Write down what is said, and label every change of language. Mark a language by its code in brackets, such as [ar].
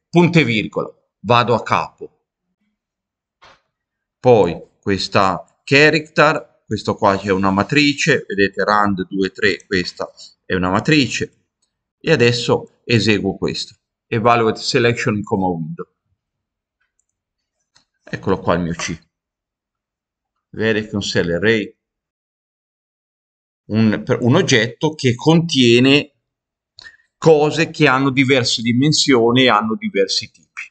[it] Punto e virgola, vado a capo. Poi questa character, questo qua c'è una matrice, vedete rand 2, 3, questa è una matrice. E adesso eseguo questo. [en] Evaluate selection in comma window. [it] Eccolo qua il mio C. Vede che un cell array un oggetto che contiene cose che hanno diverse dimensioni e hanno diversi tipi.